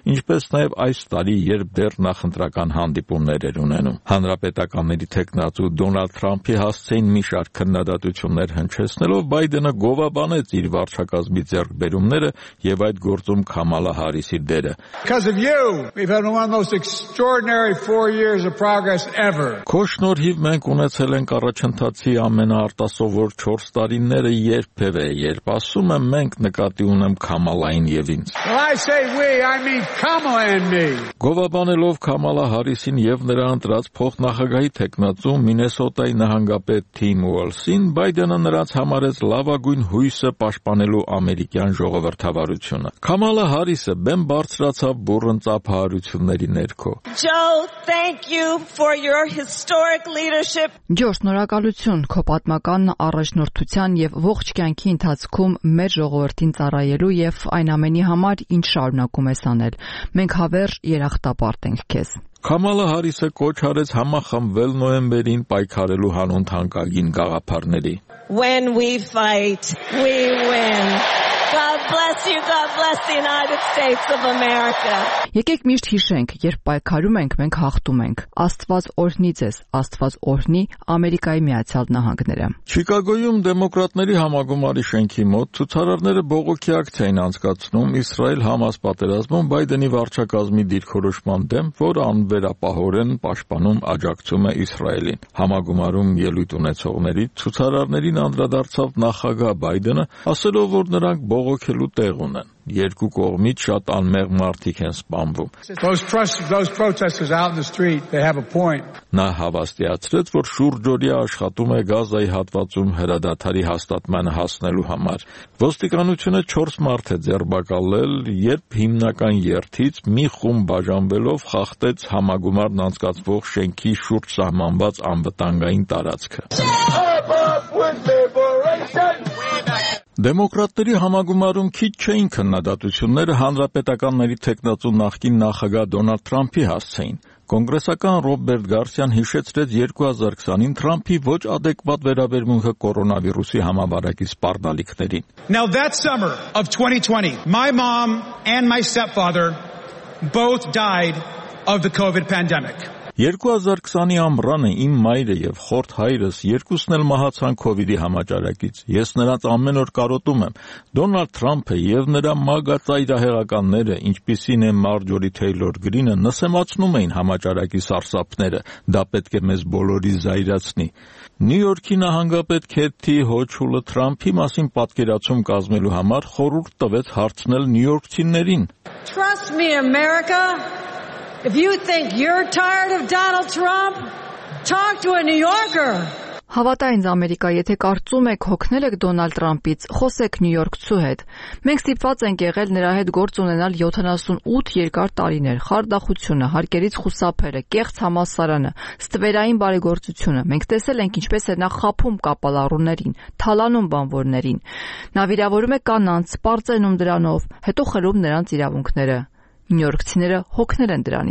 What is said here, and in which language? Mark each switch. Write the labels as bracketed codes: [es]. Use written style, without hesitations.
[hy] ինչպես նաև այս տարի, երբ դեռ նախընտրական հանդիպումներ էր ունենում։ Հանրապետականների թեկնածու Դոնալդ Թրամփի հասցեին մի շարք քննադատություններ հնչեցնելով, Բայդենը գովաբանեց իր վարչակազմի ձեռքբերումները և այդ գործում Քամալա Հարիսի դերը։ [en] Four years of progress ever. [hy] Քոշնորհիվ մենք ունեցել ենք առաջընթացի ամենաարտասովոր 4 տարիները երբևէ, երբ ասում եմ մենք նկատի ունեմ Քամալային եւ ինձ։ [en] Well, I say we, I mean Kamala and me. [hy] Գովաբանելով Քամալա Հարիսին եւ նրա ընտրած փոխնախագահի թեկնածու Մինեսոտայի նահանգապետ Թիմ Ուոլսին, Բայդենը նրանց համարեց լավագույն հույսը պաշտպանելու ամերիկյան ժողովրդավարությունը։ Քամալա Հարիսը բեմ բարձրացավ բուրըն ծափահարությունների ներքո։ [en] Joe, thank you for your historic leadership. [hy] Ջոշ, շնորհակալություն քո պատմական առաջնորդության եւ ողջ կյանքի ընթացքում մեր ժողովրդին ծառայելու եւ այն ամենի համար, ինչ շարունակում ես անել։ Մենք հավերժ երախտապարտ ենք քեզ։ Քամալա Հարիսը կոչ արեց համախմբել նոյեմբերին պայքարելու հանուն թանկագին գաղափարների։ [en] When we fight, we win. God bless. bless you. God bless the United States of America. [hy] Եկեք միշտ հիշենք, երբ պայքարում ենք, մենք հաղթում ենք։ Աստված օրհնի ձեզ, Աստված օրհնի Ամերիկայի Միացյալ Նահանգները։ Չիկագոյում դեմոկրատների համագումարի շենքի մոտ ցուցարարները բողոքի ակցիա են անցկացնում Իսրայել Համաս պատերազմում Բայդենի վարչակազմի դիրքորոշման դեմ, որը անվերապահորեն պաշտպանում աջակցում է Իսրայելին։ Համագումարում ելույթ ունեցողների ցուցարարներին անդրադարձավ նախագահ Բայդենը, ասելով, որ նրանք բողոքելու տեղ ունեն։ Երկու կողմից շատ անմեղ մարդիկ են սպանվում։ [en] Those protesters out in the street, they have a point. [hy] Նա հավաստիացրեց, որ շուրջօրյա աշխատում է Գազայի հատվածում հրադադարի հաստատման հասնելու համար։ Ոստիկանությունը 4 մարդ է ձերբակալել, երբ հիմնական երթից մի խումբ բաժանվելով խախտեց համագումարն անցկացվող շենքի շուրջ սահմանված անվտանգային տարածքը։ Դեմոկրատների համագումարում քիչ չէին քննադատությունները հանրապետականների թեկնածու նախկին նախագահ Դոնալդ Թրամփի հասցեին։ Կոնգրեսական Ռոբերտ Գարսիան հիշեցրեց 2020-ին Թրամփի ոչ ադեկվատ վերաբերմունքը կորոնավիրուսի համավարակի սպառնալիքներին։ [en] Now that summer of 2020, my mom and my stepfather both died of the COVID pandemic. [hy] 2020-ի ամռանը իմ մայրը եւ խորթ հայրս երկուսն էլ մահացան COVID-ի համաճարակից։ Ես նրանց ամեն օր կարոտում եմ։ Դոնալդ Թրամփը եւ նրա մագա ծայրահեղականները, ինչպիսին է Մարջորի Թեյլոր Գրինը, նսեմացնում էին համաճարակի սարսափները։ Դա պետք է մեզ բոլորի զայրացնի։ Նյու Յորքի նահանգապետ Քեթի Հոչուլը Թրամփի մասին պատկերացում կազմելու համար խորհուրդ տվեց հարցնել Նյու Յորքցիներին. [en] Trust me, America. If you think you're tired of Donald Trump, talk to a New Yorker. [hy] Հավատա ինձ, Ամերիկա, եթե կարծում եք, հոգնել եք Դոնալդ Թրամփից, խոսեք Նյու Յորքցու հետ։ Մենք ստիպված ենք եղել նրա հետ գործ ունենալ 78 երկար տարիներ, խարդախությունը, հարկերից խուսափելը, կեղծ համասարանը, ստվերային բարեգործությունը։ Մենք տեսել ենք, ինչպես է նա խափում կապալառուներին, թալանում բանվորներին։ Նա վիրավորում է կանանց, սպարծենում դրանով, հետո խրում նրանց իրավունքները։ Նյու Յորքցիները հոգնել են